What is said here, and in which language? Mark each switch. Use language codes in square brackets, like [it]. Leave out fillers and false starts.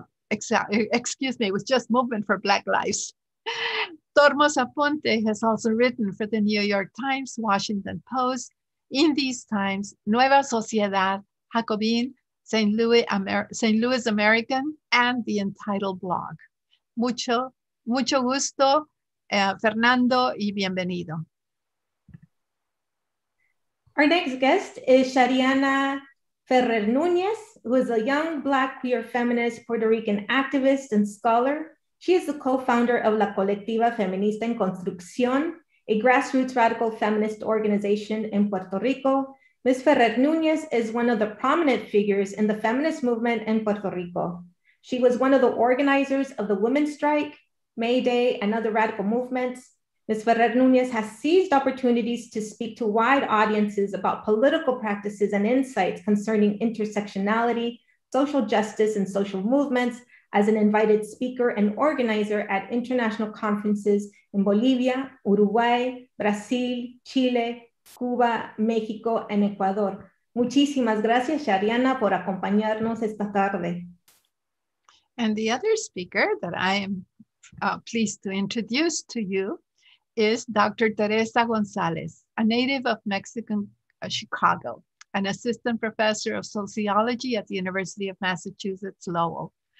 [en] It was just movement for Black Lives. Tormos Aponte has also written for the New York Times, Washington Post, In These Times, Nueva Sociedad, Jacobin, St. Louis American, and the Entitled Blog. [es] Mucho gusto, Fernando, y bienvenido. [en] Our next guest is Shariana Ferrer Núñez, who is a young Black queer feminist, Puerto Rican activist and scholar. She is the co-founder of La Colectiva Feminista en Construcción, a grassroots radical feminist organization in Puerto Rico. Ms. Ferrer Núñez is one of the prominent figures in the feminist movement in Puerto Rico. She was one of the organizers of the Women's Strike, May Day, and other radical movements. Ms. Ferrer Nunez has seized opportunities to speak to wide audiences about political practices and insights concerning intersectionality, social justice, and social movements as an invited speaker and organizer at international conferences in Bolivia, Uruguay, Brazil, Chile, Cuba, Mexico, and Ecuador. [es] Muchísimas gracias, Shariana, por acompañarnos esta tarde. [en] And the other speaker that I am pleased to introduce to you is Dr. Teresa Gonzalez, a native of Mexican Chicago, an assistant professor of sociology at the University of Massachusetts Lowell.